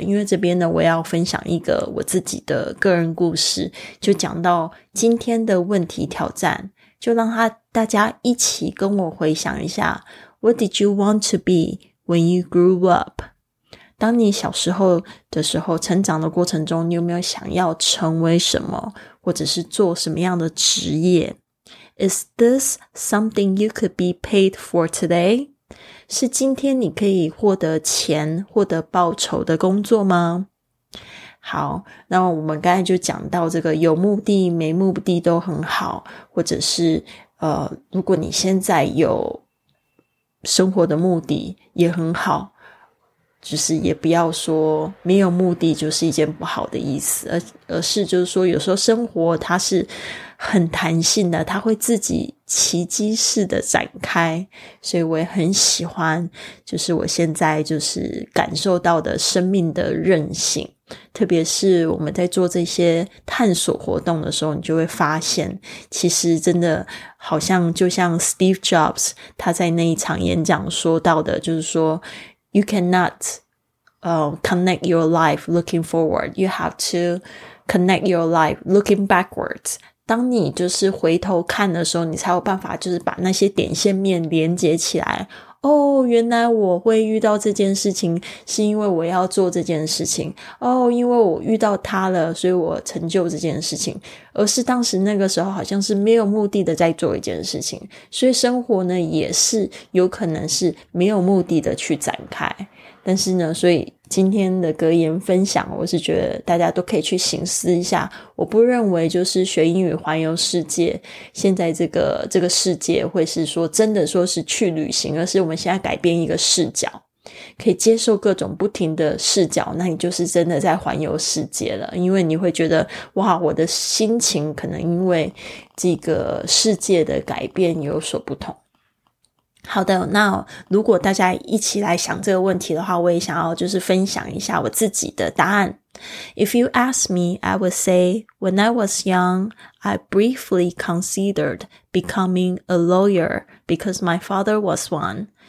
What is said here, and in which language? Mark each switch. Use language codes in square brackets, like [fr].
[zh] 因为这边呢我要分享一个我自己的个人故事，就讲到今天的问题挑战，就让大家一起跟我回想一下 [en] What did you want to be when you grew up? [zh] 当你小时候的时候，成长的过程中，你有没有想要成为什么，或者是做什么样的职业？ [en] Is this something you could be paid for today? [zh] 是今天你可以获得钱，获得报酬的工作吗？好，那我们刚才就讲到这个有目的没目的都很好，或者是如果你现在有生活的目的也很好，就是也不要说没有目的就是一件不好的意思，而是就是说有时候生活它是很弹性的，它会自己奇迹式的展开，所以我也很喜欢就是我现在就是感受到的生命的韧性。特别是我们在做这些探索活动的时候，你就会发现其实真的好像就像 Steve Jobs 他在那一场演讲说到的，就是说 [en] You cannot, connect your life looking forward. You have to connect your life looking backwards. [zh] 当你就是回头看的时候，你才有办法就是把那些点线面连接起来。哦，原来我会遇到这件事情是因为我要做这件事情。哦，因为我遇到他了，所以我成就这件事情。而是当时那个时候好像是没有目的的在做一件事情，所以生活呢也是有可能是没有目的的去展开。但是呢，所以今天的格言分享，我是觉得大家都可以去省思一下。我不认为就是学英语环游世界，现在这个世界会是说真的说是去旅行，而是我们现在改变一个视角，可以接受各种不停的视角，那你就是真的在环游世界了。因为你会觉得哇，我的心情可能因为这个世界的改变有所不同。好的，那如果大家一起来想这个问题的话，我也想要就是分享一下我自己的答案。 [en] If you ask me, I would say, when I was young, I briefly considered becoming a lawyer because my father was one.